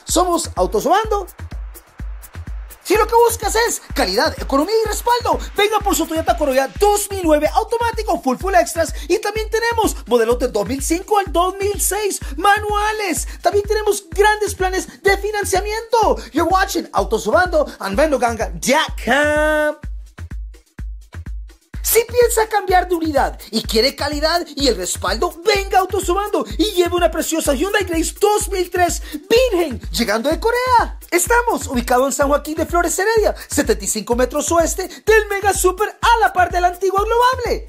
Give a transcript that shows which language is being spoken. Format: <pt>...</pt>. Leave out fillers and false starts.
<es>Somos Autos Obando. Si lo que buscas es calidad, economía y respaldo, venga por su Toyota Corolla 2009 automático full full extras y también tenemos modelos de 2005 al 2006 manuales. También tenemos grandes planes de financiamiento.</es> <en>You're watching Autos Obando and VendoGanga.com.</en> <es>Si piensa cambiar de unidad y quiere calidad y el respaldo, venga Autos Obando y lleve una preciosa Hyundai Grace 2003 virgen llegando de Corea. Estamos ubicados en San Joaquín de Flores Heredia, 75 metros oeste del Mega Super a la par de la antigua Globable.</es>